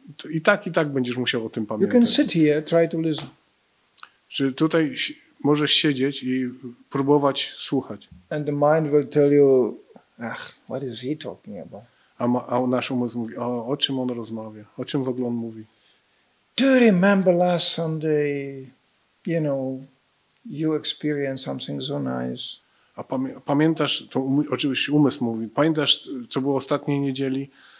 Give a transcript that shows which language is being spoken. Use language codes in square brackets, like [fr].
[pl] I tak będziesz musiał o tym pamiętać. [en] You can sit here, try to listen. [pl] Czy tutaj możesz siedzieć i próbować słuchać. [en] And the mind will tell you, ach, what is he talking about? [pl] A nasz umysł mówi, o czym on rozmawia? O czym w ogóle on mówi? [en] Do you remember last Sunday, you know, you experienced something so nice? [pl] A pamiętasz, to oczywiście umysł mówi, pamiętasz, co było ostatniej niedzieli?